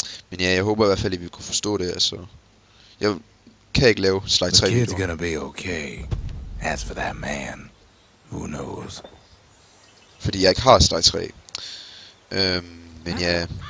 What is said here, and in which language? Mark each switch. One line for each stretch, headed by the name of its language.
Danish: Men ja, jeg håber i hvert fald, at vi kunne forstå det, altså. Jeg kan ikke lave slide 3
English: videoer. The kid's gonna be okay. As for that man, who knows?
Danish: Fordi jeg ikke har slide 3. Men ja.